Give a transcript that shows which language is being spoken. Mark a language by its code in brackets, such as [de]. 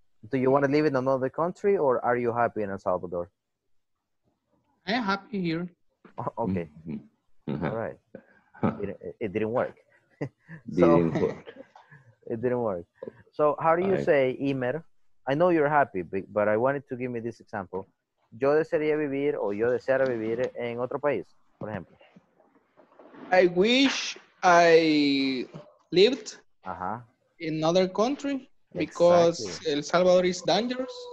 [en] Do you want to live in another country or are you happy in El Salvador? I'm happy here. Okay. All right. It didn't work. It didn't work. So how do you say Imer? I know you're happy, but I wanted to give me this example. [es] Yo desearía vivir o yo deseara vivir en otro país, por ejemplo. [en] I wish I lived in another country because El Salvador is dangerous.